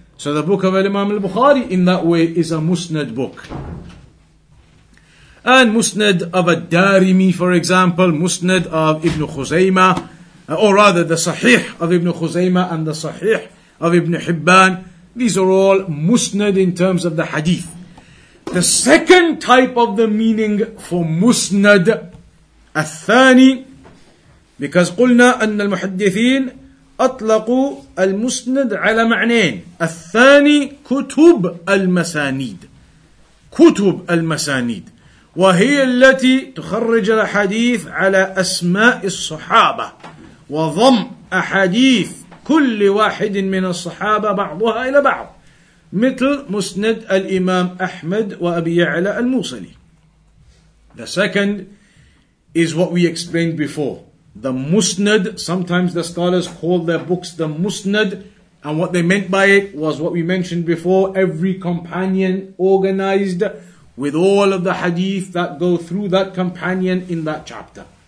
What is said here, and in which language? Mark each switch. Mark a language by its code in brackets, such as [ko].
[en] So the book of al-Imam al-Bukhari in that way is a Musnad book. And Musnad of al-Darimi, for example, Musnad of Ibn Khuzaymah, or rather the Sahih of Ibn Khuzaymah and the Sahih of Ibn Hibban, these are all Musnad in terms of the hadith. The second type of the meaning for musnad, [ar] الثاني, [en] because [ar] قلنا أن المحدثين أطلقوا المسند على معنين. الثاني كتب المسانيد. كتب المسانيد. وهي التي تخرج الحديث على أسماء الصحابة وضم أحاديث كل واحد من الصحابة بعضها إلى بعض. مثل مسند الإمام أحمد وأبي يعلى الموصلي. [en] The second is what we explained before. The Musnad, sometimes the scholars call their books the Musnad, and what they meant by it was what we mentioned before, every companion organized with all of the hadith that go through that companion in that chapter.